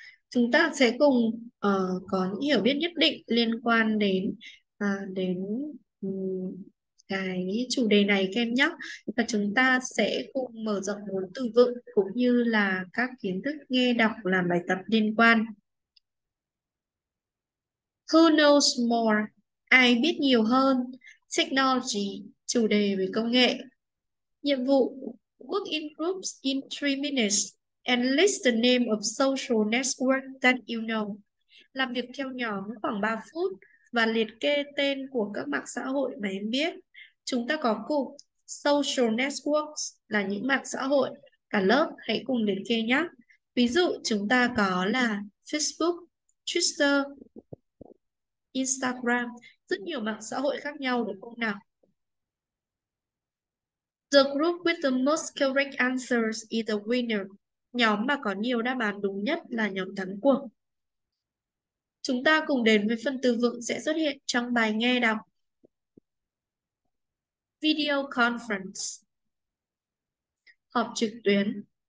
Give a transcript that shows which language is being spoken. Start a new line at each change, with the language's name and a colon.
Vietnamese: Chúng ta sẽ cùng có những hiểu biết nhất định liên quan đến cái chủ đề này các em nhé, và chúng ta sẽ cùng mở rộng vốn từ vựng cũng như là các kiến thức nghe đọc làm bài tập liên quan.
English: Who knows more?
Vietnamese: Ai biết nhiều hơn? Technology, chủ đề về công nghệ. Nhiệm vụ:
English: Work in groups in 3 minutes and list the name of social network that you know.
Vietnamese: Làm việc theo nhóm khoảng 3 phút và liệt kê tên của các mạng xã hội mà em biết. Chúng ta có cụm social networks là những mạng xã hội. Cả lớp hãy cùng liệt kê nhé. Ví dụ chúng ta có là Facebook, Twitter, Instagram, rất nhiều mạng xã hội khác nhau đúng không nào?
English: The group with the most correct answers is the winner.
Vietnamese: Nhóm mà có nhiều đáp án đúng nhất là nhóm thắng cuộc. Chúng ta cùng đến với phần từ vựng sẽ xuất hiện trong bài nghe đọc. Video conference, họp trực tuyến.